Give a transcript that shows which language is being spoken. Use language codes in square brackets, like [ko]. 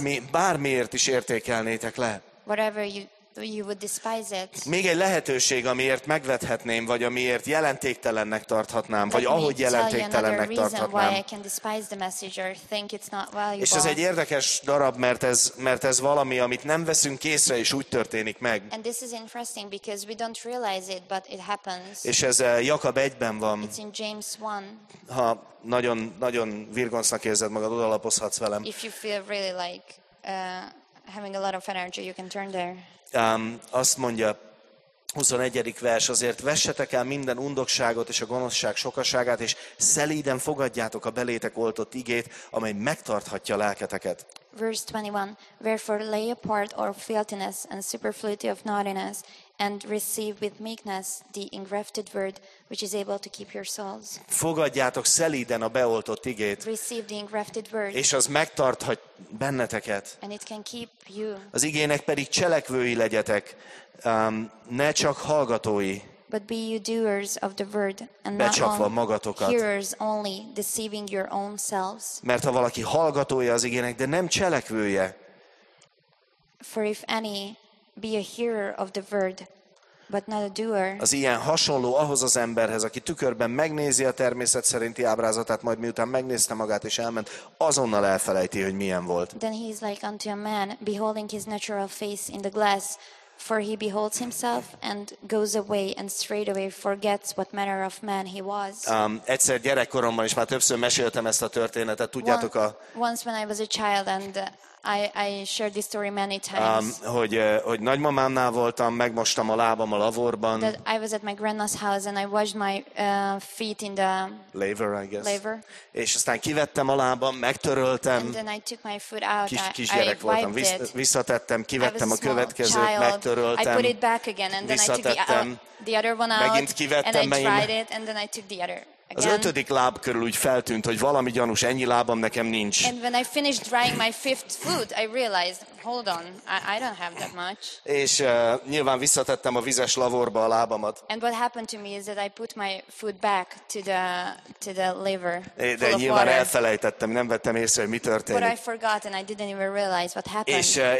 [hu] Bármiért is értékelnétek le. [en] You would despise it. [hu] Még egy lehetőség, amiért megvethetném, vagy amiért jelentéktelennek tarthatnám, [en] let [hu] vagy ahogy jelentéktelennek tarthatnám. [en] Why I can despise the message or think it's not valuable. [hu] És ez egy érdekes darab, mert ez valami, amit nem veszünk észre, és úgy történik meg. [en] And this is interesting because we don't realize it, but it happens. [hu] És ez Jakab 1-ben van. [en] It's in James 1. [hu] Ha nagyon, nagyon virgonsznak érzed magad, odalapozhatsz velem. [en] If you feel really like having a lot of energy, you can turn there. [hu] Azt mondja 21. vers, azért vessetek el minden undokságot és a gonoszság sokaságát, és szelíden fogadjátok a belétek oltott igét, amely megtarthatja lelketeket. [en] Verse 21. Wherefore lay apart all filthiness and superfluity of naughtiness, and receive with meekness the engrafted word, which is able to keep your souls. [hu] Fogadjátok szelíden a beoltott igét. [en] Receive the engrafted word. [hu] És az megtarthat benneteket. [en] And it can keep you. [hu] Az igének pedig cselekvői legyetek, ne csak hallgatói. [en] But be you doers of the word, and not only hearers only, deceiving your own selves. [hu] Mert ha valaki hallgatója az igének, de nem cselekvője. [en] For if any be a hearer of the word, but not a doer. [hu] Az ilyen hasonló ahhoz az emberhez, aki tükörben megnézi a természet szerinti ábrázatát, majd miután megnézte magát és elment, azonnal elfelejti, hogy milyen volt. [en] Then he is like unto a man beholding his natural face in the glass, for he beholds himself and goes away and straightway forgets what manner of man he was. [hu] Egyszer gyerekkoromban is már többször meséltem ezt a történetet, tudjátok a... [en] Once when I was a child and I shared this story many times. [hu] Hogy nagymamámnál voltam, megmostam a lábam a lavorban. [en] That I was at my grandma's house and I washed my feet in the laver, I guess. Laver. [hu] És aztán kivettem a lábam, megtöröltem. [en] And then I took my foot out. [hu] Kisgyerek voltam, visszatettem, kivettem a következőt, [en] child. [hu] Megtöröltem. [en] I put it back again and then I took the other one out. [hu] Megint kivettem, [en] and I tried it and then I took the other. [hu] Az ötödik láb körül úgy feltűnt, hogy valami gyanús, ennyi lábam nekem nincs. [en] And when I finished drying my fifth foot, I realized, hold on, I don't have that much. [hu] És nyilván visszatettem a vizes lavorba a lábamat. [en] And what happened to me is that I put my foot back to the laver. [hu] De nyilván elfelejtettem, nem vettem észre, hogy mi történt. [en] But I forgot and I didn't even realize what happened.